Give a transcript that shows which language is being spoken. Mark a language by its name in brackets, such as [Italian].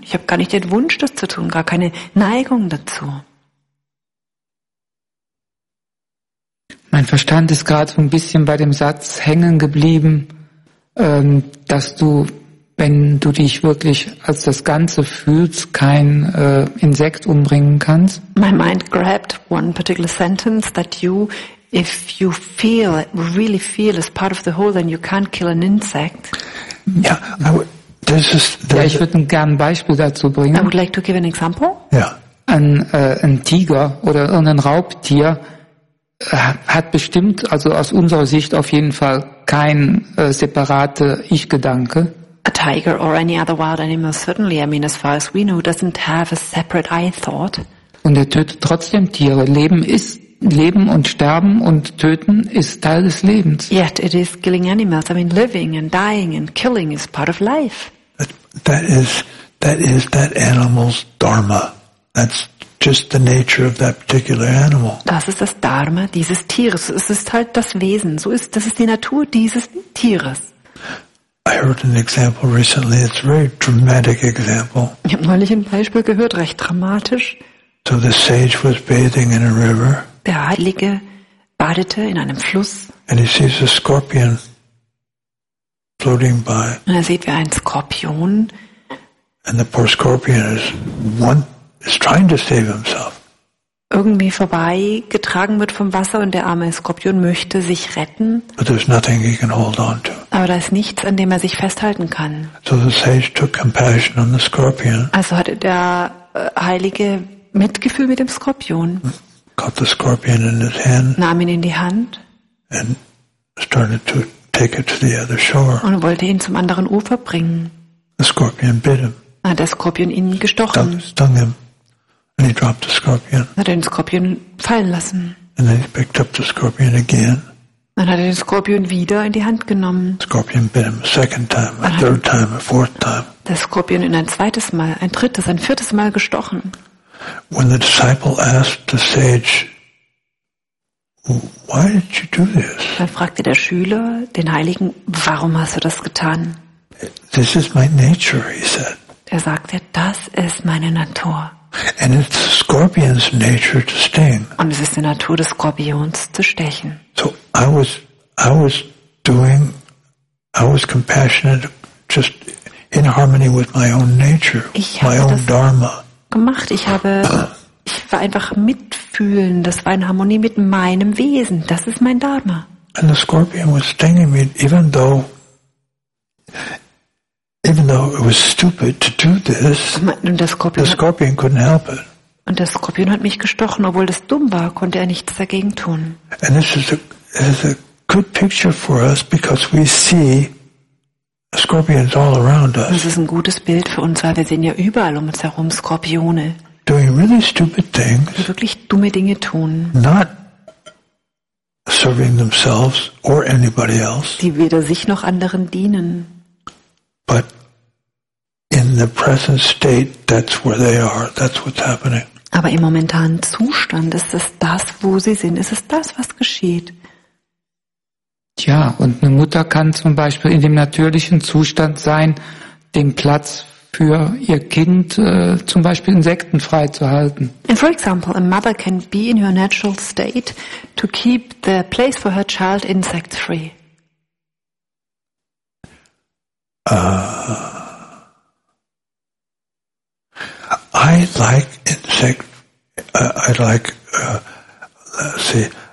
[German] Ich habe gar nicht den Wunsch, das zu tun, gar keine Neigung dazu. Mein Verstand ist gerade so ein bisschen bei dem Satz hängen geblieben, dass du, wenn du dich wirklich als das Ganze fühlst, kein Insekt umbringen kannst. [English] My mind grabbed one particular sentence that you, if you feel, really feel as part of the whole, then you can't kill an insect. [German] Ich würde gerne ein Beispiel dazu bringen. [English] I would like to give an example. Yeah. [German] Ein Tiger oder irgendein Raubtier hat bestimmt, also aus unserer Sicht auf jeden Fall, kein separate Ich-Gedanke. [English] A tiger or any other wild animal, certainly, I mean, as far as we know, doesn't have a separate I thought. [German] Und er tötet trotzdem Tiere. Leben ist Leben und Sterben und Töten ist Teil des Lebens. [English] Yet it is killing animals. I mean, living and dying and killing is part of life. That is that animal's dharma. That's just the nature of that particular animal. [German] Das ist das Dharma dieses Tieres. Es ist halt das Wesen. Das ist die Natur dieses Tieres. [English] I heard an example recently. It's a very dramatic example. [German] Ich habe neulich ein Beispiel gehört, recht dramatisch. [English] So the sage was bathing in a river. [German] Der Heilige badete in einem Fluss. [English] And he sees a scorpion floating by. [German] Und er sieht, wie ein Skorpion. [English] And the poor scorpion is trying to save himself. [German] Irgendwie vorbei getragen wird vom Wasser und der arme Skorpion möchte sich retten. [English] But there's nothing he can hold on to. [German] Aber da ist nichts, an dem er sich festhalten kann. [English] So the sage took compassion on the scorpion. [German] Also hatte der Heilige Mitgefühl mit dem Skorpion. [English] Caught the scorpion in his hand. [German] Nahm ihn in die Hand. [English] And started to take it to the other shore. [German] Und wollte ihn zum anderen Ufer bringen. [English] The scorpion bit him. [German] Hat der Skorpion ihn gestochen. [English] Stung him. And he dropped the scorpion. [German] Hat den Skorpion fallen lassen. [English] And then he picked up the scorpion again. [German] Dann hat er den Skorpion wieder in die Hand genommen. [English] Scorpion bit him a second time, a third time, a fourth time. [German] Der Skorpion ihn ein zweites Mal, ein drittes, ein viertes Mal gestochen. [English] When the disciple asked the sage, "Why did you do this?" [German] Dann fragte der Schüler den Heiligen, "Warum hast du das getan?" [English] "This is my nature," he said. [German] Er sagte, "Das ist meine Natur." [English] And it's scorpion's nature to sting. [German] Und es ist die Natur des Skorpions zu stechen. [English] So I was compassionate, just in harmony with my own nature, my own dharma. [German] Gemacht. Ich war einfach mitfühlen. Das war in Harmonie mit meinem Wesen. Das ist mein Dharma. [English] And the scorpion was stinging me, even though it was stupid to do this. The scorpion couldn't help it. [German] Und der Skorpion hat mich gestochen, obwohl das dumm war, konnte er nichts dagegen tun. [English] And this is a good picture for us because we see scorpions all around us. [German] Das ist ein gutes Bild für uns, weil wir sehen ja überall um uns herum Skorpione. [English] Doing really stupid things. [German] Die wirklich dumme Dinge tun. [English] Not serving themselves or anybody else. [German] Die weder sich noch anderen dienen. [English] But in the present state, that's where they are. That's what's happening. [German] Aber im momentanen Zustand ist es das, wo sie sind. Ist es das, was geschieht? Tja, und eine Mutter kann zum Beispiel in dem natürlichen Zustand sein, den Platz für ihr Kind, zum Beispiel Insekten frei zu halten. [English] And for example, a mother can be in her natural state to keep the place for her child insect free. I like insect. I like. Let's see.